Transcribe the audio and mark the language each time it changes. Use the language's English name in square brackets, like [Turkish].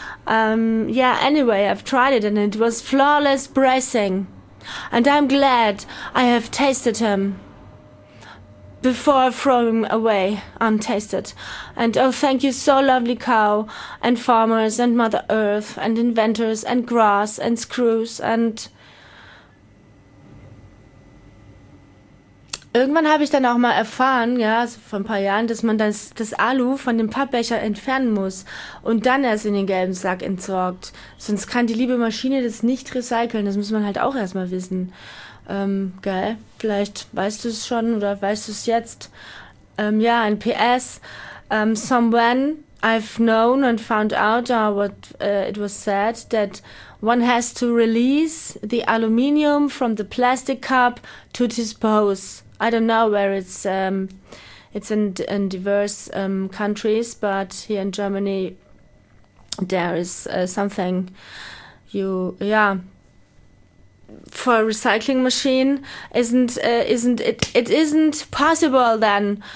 [English] Yeah, anyway, I've tried it and it was flawless bracing. And I'm glad I have tasted him. before throwing away untasted. And oh, thank you so lovely cow and farmers and Mother Earth and inventors and grass and screws and... [German] Irgendwann habe ich dann auch mal erfahren, ja, vor ein paar Jahren, dass man das Alu von dem Pappbecher entfernen muss und dann erst in den gelben Sack entsorgt. Sonst kann die liebe Maschine das nicht recyceln. Das muss man halt auch erstmal wissen. Geil. Vielleicht weißt du es schon oder weißt du es jetzt. Ja, ein PS. [English] Someone I've known and found out it was said that one has to release the aluminium from the plastic cup to dispose. I don't know where it's in diverse countries, but here in Germany there is something for a recycling machine isn't possible then.